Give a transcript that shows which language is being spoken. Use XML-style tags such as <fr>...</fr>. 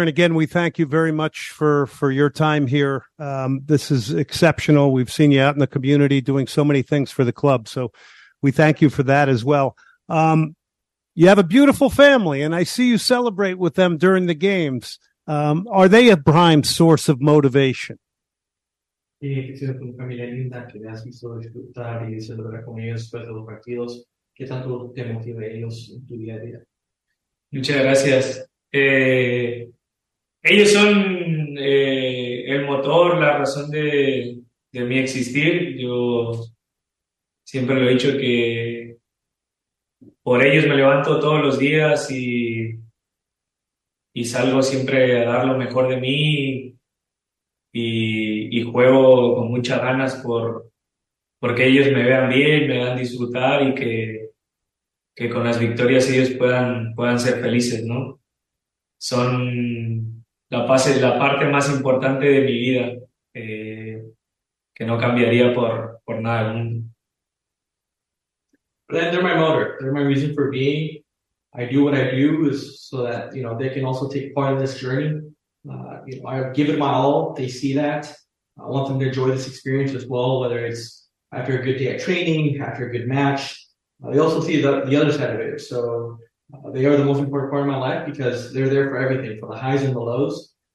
<en>And again, we thank you very much for your time here. This is exceptional. We've seen you out in the community doing so many things for the club. So we thank you for that as well. You have a beautiful family, and I see you celebrate with them during the games. Are they a prime source of motivation?</en> <es>Sí, que tiene una familia linda que has visto disfrutar y celebrar con ellos después de los partidos. ¿Qué tanto te motiva ellos en tu día a día? Muchas gracias. Ellos son el motor, la razón de mi existir. Yo siempre lo he dicho que por ellos me levanto todos los días y salgo siempre a dar lo mejor de mí y juego con muchas ganas porque ellos me vean bien, me vean disfrutar y que con las victorias ellos puedan ser felices, ¿no? Son la parte más importante de mi vida, que no cambiaría por nada del mundo.</es> <en>They're my motor. They're my reason for being. I do what I do is so that, you know, they can also take part in this journey. You know, I've given my all. They see that. I want them to enjoy this experience as well, whether it's after a good day at training, after a good match. They also see the other side of it. So they are the most important part of my life because they're there for everything, for the highs and the lows.</en>